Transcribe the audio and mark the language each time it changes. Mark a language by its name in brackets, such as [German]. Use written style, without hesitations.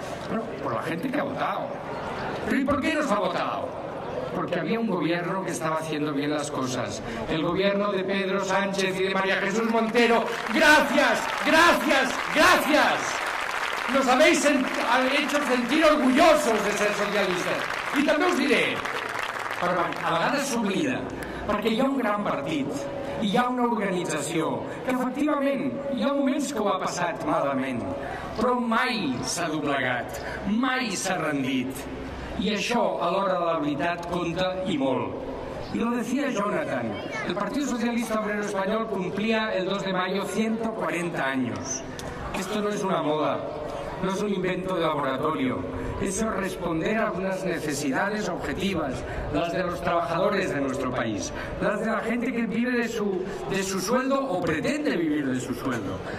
[Spanish] Bueno, por la gente que ha votado. ¿Pero y por qué nos ha votado? Porque había un gobierno que estaba haciendo bien las cosas. El gobierno de Pedro Sánchez y de María Jesús Montero. ¡Gracias! ¡Gracias! ¡Gracias! Nos habéis hecho sentir orgullosos de ser socialistas. [Catalan] Y també us diré, però a vegades s'oblida, perquè hi ha un gran partit i hi ha una organització que efectivament hi ha moments que ho ha passat malament, però mai s'ha doblegat, mai s'ha rendit. I això, a l'hora de la veritat, compta i molt. [Spanish] Y lo decía Jonathan, el Partido Socialista Obrero Español cumplía el 2 de mayo 140 años. Esto no es una moda, no es un invento de laboratorio. Eso es responder a unas necesidades objetivas, las de los trabajadores de nuestro país, las de la gente que vive de su sueldo o pretende vivir de su sueldo.